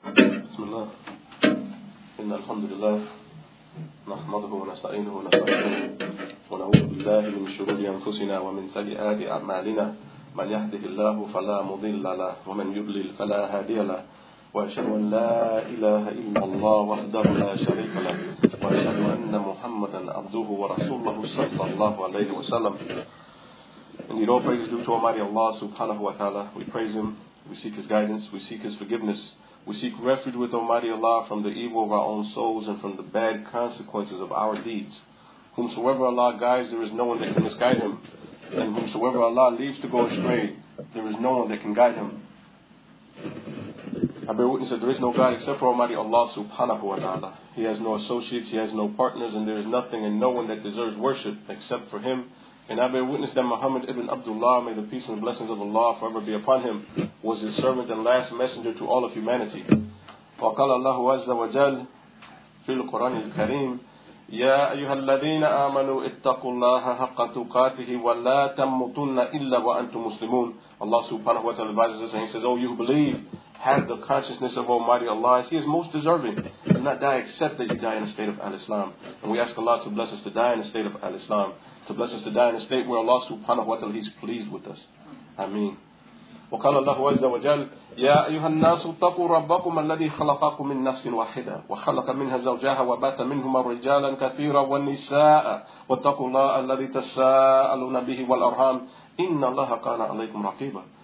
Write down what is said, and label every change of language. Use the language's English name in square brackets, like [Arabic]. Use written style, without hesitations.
[Arabic] بسم الله إن الحمد لله نحمده ونستعينه ونستغفره ونعوذ بالله من شرور أنفسنا ومن سيئات أعمالنا من يهده الله فلا مضل له ومن يضلل فلا هادي له وأشهد أن لا إله إلا الله وحده لا شريك له وأشهد أن محمدا عبده ورسوله صلى الله عليه وسلم. [English] Indeed, all praise is due to Almighty Allah subhanahu wa ta'ala. We praise Him, we seek His guidance, we seek His forgiveness. We seek refuge with Almighty Allah from the evil of our own souls and from the bad consequences of our deeds. Whomsoever Allah guides, there is no one that can misguide him. And whomsoever Allah leaves to go astray, there is no one that can guide him. I bear witness that there is no God except for Almighty Allah subhanahu wa ta'ala. He has no associates, he has no partners, and there is nothing and no one that deserves worship except for him. And I bear witness that Muhammad ibn Abdullah, may the peace and blessings of Allah forever be upon him, was his servant and last messenger to all of humanity. [Arabic] وقال الله عز وجل في القرآن الكريم يا أيها الذين آمنوا اتقوا الله حق تقاته ولا تموتن إلا وأنتم مسلمون. [English] Allah subhanahu wa ta'ala advises us and he says, O you who believe, have the consciousness of Almighty Allah as he is most deserving. Do not die except that you die in a state of al-Islam. And we ask Allah to bless us to die in a state of al-Islam. To bless us to die in a state where Allah subhanahu wa ta'ala is pleased with us. [Arabic] Ameen. وَقَالَ اللَّهُ عَزَّ وَجَلَّ يَا أَيُّهَا النَّاسُ اتَّقُوا رَبَّكُمَ الَّذِي خَلَقَكُم مِّن نَّفْسٍ وَاحِدَةٍ وَخَلَقَ مِنْهَا زَوْجَهَا وَبَثَّ مِنْهُمَا رِجَالًا كَثِيرًا وَنِسَاءً ۚ وَاتَّقُوا اللَّهَ الَّذِي تَسَاءَلُونَ بِهِ وَالْأَرْحَامَ ۚ إِنَّ اللَّهَ كَانَ عَلَيْكُمْ رَقِيبًا.